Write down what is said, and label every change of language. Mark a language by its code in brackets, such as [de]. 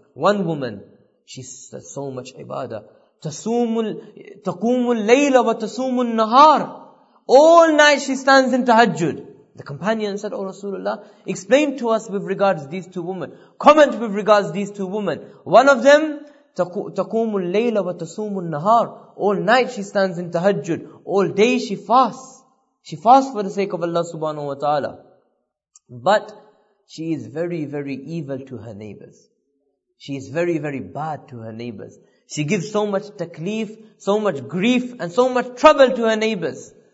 [en] One woman, she said so much ibadah. [ar] تَقُومُ اللَّيْلَ وَتَصُومُ النَّهَارِ. [en] All night she stands in tahajjud. The companion said, oh Rasulullah, explain to us with regards to these two women. Comment with regards to these two women. One of them, [ar] تَقُومُ اللَّيْلَ وَتَصُومُ النَّهَارِ. [en] All night she stands in tahajjud. All day she fasts. She fasts for the sake of Allah subhanahu wa ta'ala. But she is very, very evil to her neighbors. She is very, very bad to her neighbors. She gives so much takleef, so much grief, and so much trouble to her neighbors.